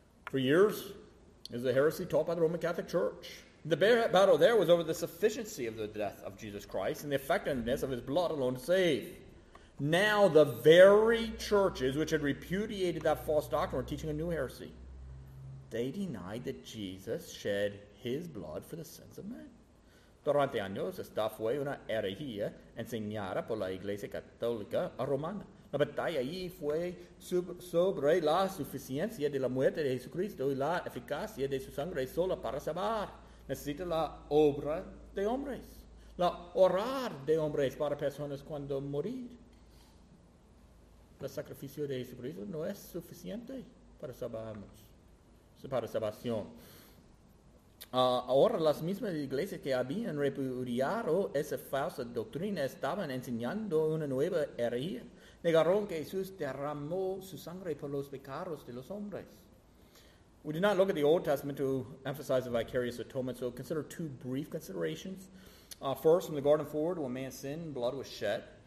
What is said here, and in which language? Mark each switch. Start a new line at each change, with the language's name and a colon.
English: For years, is a heresy taught by the Roman Catholic Church. The battle there was over the sufficiency of the death of Jesus Christ and the effectiveness of his blood alone to save. Now the very churches which had repudiated that false doctrine were teaching a new heresy. They denied that Jesus shed his blood for the sins of men.
Spanish: Durante años, esta fue una herejía enseñada por la Iglesia Católica Romana. La batalla allí fue sobre la suficiencia de la muerte de Jesucristo y la eficacia de su sangre sola para salvar. Necesita la obra de hombres, la orar de hombres para personas cuando morir. El sacrificio de Jesucristo no es suficiente para salvarnos. Para salvación. Ahora las mismas iglesias que habían repudiado esa falsa doctrina estaban enseñando una nueva herejía. Negaron que Jesús derramó su sangre por los pecados de los hombres.
English: We did not look at the Old Testament to emphasize the vicarious atonement, so consider two brief considerations. First, from the garden forward, when man sinned, blood was shed.